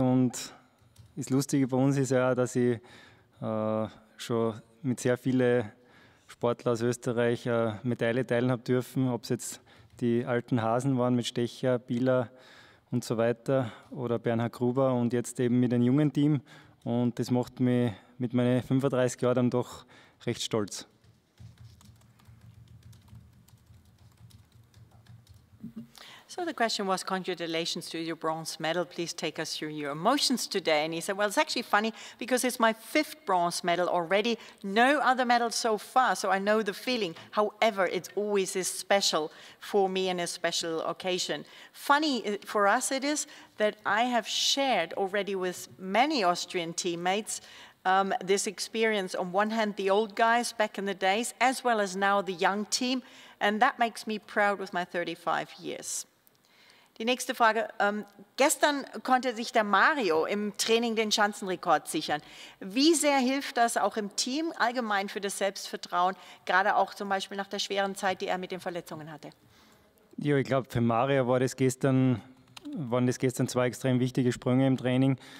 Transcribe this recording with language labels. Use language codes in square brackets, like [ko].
[de] Und das Lustige bei uns ist ja, dass ich schon mit sehr vielen Sportlern aus Österreich Medaille teilen habe dürfen, ob es jetzt die alten Hasen waren mit Stecher, Bieler und so weiter oder Bernhard Gruber und jetzt eben mit dem jungen Team. Und das macht mich mit meinen 35 Jahren dann doch recht stolz. [en] So the question was, congratulations to your bronze medal. Please take us through your emotions today. And he said, well, it's actually funny because it's my fifth bronze medal already. No other medal so far, so I know the feeling. However, it always is special for me in a special occasion. Funny for us it is that I have shared already with many Austrian teammates this experience. On one hand, the old guys back in the days, as well as now the young team. And that makes me proud with my 35 years. [de] Die nächste Frage. Gestern konnte sich der Mario im Training den Schanzenrekord sichern. Wie sehr hilft das auch im Team allgemein für das Selbstvertrauen, gerade auch zum Beispiel nach der schweren Zeit, die er mit den Verletzungen hatte? Ja, ich glaube, für Mario waren das gestern zwei extrem wichtige Sprünge im Training.